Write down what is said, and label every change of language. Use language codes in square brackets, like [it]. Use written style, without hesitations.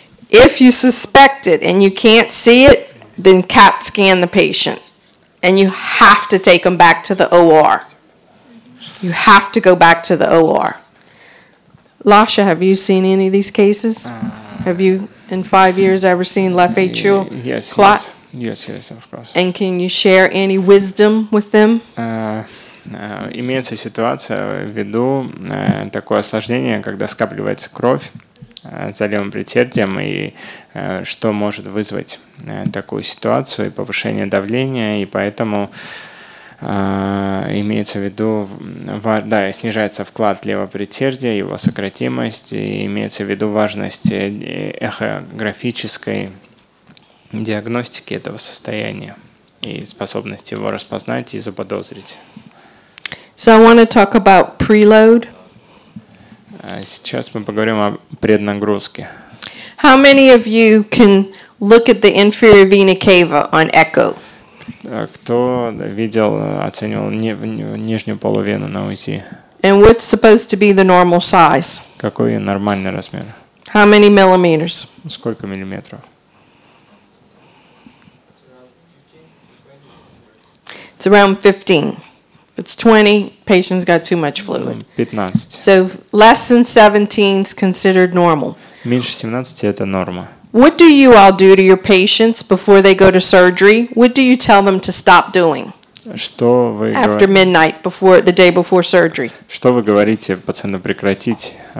[en] If you suspect it and you can't see it, then CAT scan the patient and you have to take them back to the OR. You have to go back to the OR. Lasha, have you seen any of these cases? Have you in 5 years ever seen left atrial clot? Yes, of course. And can you share any wisdom with them? [ru] Имеется ситуация ввиду такое осложнение, когда скапливается кровь за левым предсердием, и что может вызвать такую ситуацию, и повышение давления, и поэтому имеется в виду, да, снижается вклад левого предсердия, его сократимость, и имеется в виду важность эхографической диагностики этого состояния и способность его распознать и заподозрить. [en] So I want to talk about preload. [ru] Сейчас мы поговорим о преднагрузке. [en] How many of you can look at the inferior vena cava on echo? [ru] Кто видел, оценивал нижнюю полувену на УЗИ? [en] And what's supposed to be the normal size? [ru] Какой нормальный размер? [en] How many millimeters? [ru] Сколько миллиметров? [en] It's around 15. If it's 20, patient's got too much fluid. [ru] 15. [en] So less than 17 is considered normal. [ru] Меньше 17 это норма. [en] What do you all do to your patients before they go to surgery? What do you tell them to stop doing? [ru] Что вы [en] after midnight, before the day before surgery? [ru] Что вы говорите пациенту прекратить?